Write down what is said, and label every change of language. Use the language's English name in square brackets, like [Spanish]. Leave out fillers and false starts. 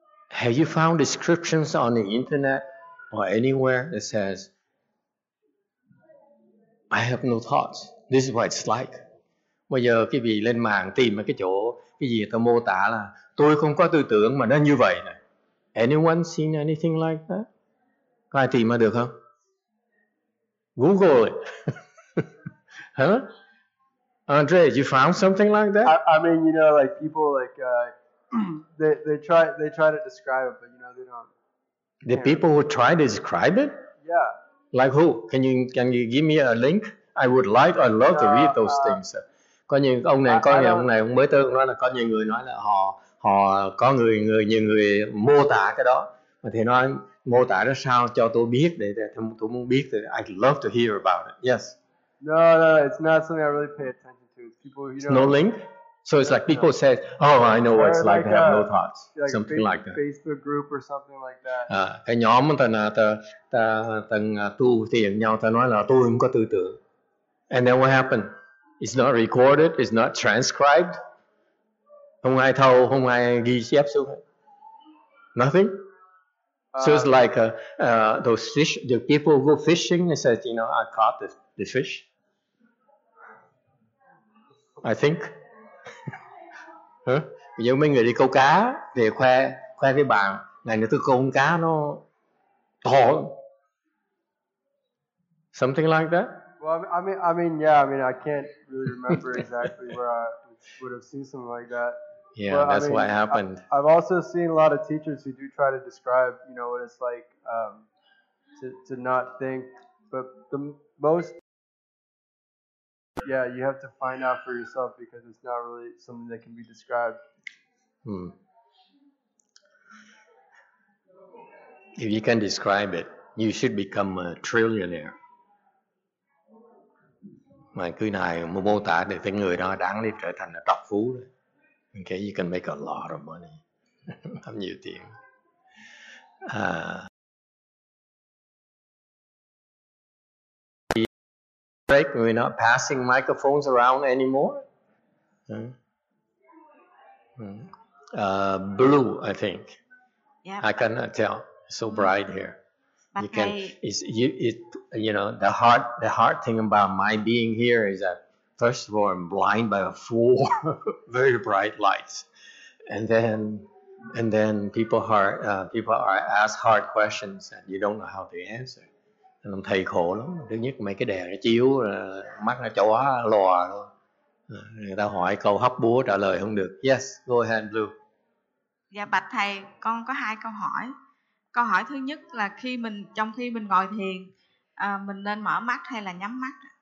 [English] Have you found descriptions on the internet or anywhere that says, I have no thoughts. This is what it's like. [Vietnamese] Bây giờ cái vị lên mạng tìm cái chỗ, cái gì tôi mô tả là tôi không có tư tưởng mà nó như vậy này. [English] Anyone seen anything like that? [Vietnamese] Có ai tìm mà được không? [English] Google it. Huh? Andre, you found something like that? I mean, you know, like people like... they try to describe it, but you know they don't. The people who try to describe it? Yeah. Like who? Can you give me a link? I would like or love to read those things. [Vietnamese] Có những ông này, có những ông này, ông mới tới nói là có nhiều người nói là họ họ có người nhiều người mô tả cái đó. Mà thầy nói mô tả đó sao cho tôi biết để tôi muốn biết. [English] I'd love to hear about it. Yes. No, it's not something I really pay attention to. Link? So it's like people say, oh, I know what it's like to have no thoughts. Like something like that. Facebook group or something like that. [Vietnamese] Cái nhóm ta tu thiền nhau, ta nói là tôi không có tư tưởng. [English] And then what happened? It's not recorded, it's not transcribed. [Vietnamese] Không ai thâu, không ai ghi chép xuống. [English] Nothing. So it's like those fish, the people go fishing and say, you know, I caught the fish. I think. [Vietnamese] Ví dụ mấy người đi câu cá về khoe với bạn, ngày nữa tôi câu con cá nó to. [English] Something like that. Well, I mean, I can't really remember exactly where I would have seen something like that. Yeah, but, that's what happened. I've also seen a lot of teachers who do try to describe, you know, what it's like to not think. But the most, you have to find out for yourself because it's not really something that can be described. If you can describe it, you should become a trillionaire. [Vietnamese] Mà cứ này mô tả được cái người đó đáng để trở thành là trọc phú rồi. [English] Okay, you can make a lot of money. [Vietnamese] Làm nhiều tiền. [English] We're not passing microphones around anymore. Blue, I think. Yeah, I cannot tell. So bright here. But you can it's the hard thing about my being here is that first of all I'm blind by four very bright lights, and then people are asked hard questions and you don't know how to answer. And I'm [Vietnamese] thấy khổ lắm. Thứ nhất mấy cái đèn nó chiếu mắt nó chói lòa luôn. Người ta hỏi câu hấp búa trả lời không được. [English] Yes, go ahead, Blue. [Vietnamese] Dạ bạch thầy, con có hai câu hỏi. Câu hỏi thứ nhất là trong khi mình ngồi thiền, mình nên mở mắt hay là nhắm mắt?